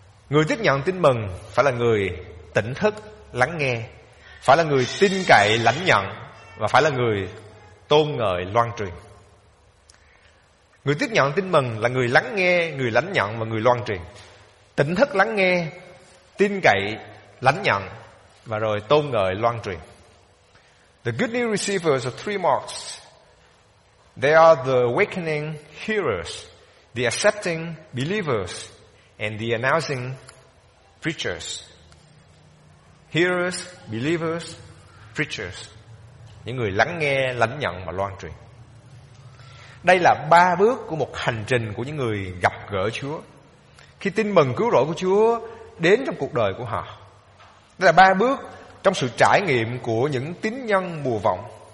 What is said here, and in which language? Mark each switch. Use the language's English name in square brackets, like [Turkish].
[Vietnamese] Người tiếp nhận tin mừng phải là người tỉnh thức lắng nghe, phải là người tin cậy lãnh nhận, và phải là người tôn ngợi loan truyền. Người tiếp nhận tin mừng là người lắng nghe, người lãnh nhận và người loan truyền. Tỉnh thức lắng nghe, tin cậy lãnh nhận, và rồi tôn ngợi loan truyền. [English] The good news receivers are three marks. They are the awakening hearers, the accepting believers, and the announcing preachers. Hearers, believers, preachers. [Vietnamese] Những người lắng nghe, lãnh nhận và loan truyền. Đây là ba bước của một hành trình của những người gặp gỡ Chúa. khi tin mừng cứu rỗi của Chúa đến trong cuộc đời của họ. Đây là ba bước trong sự trải nghiệm của những tín nhân mùa vọng.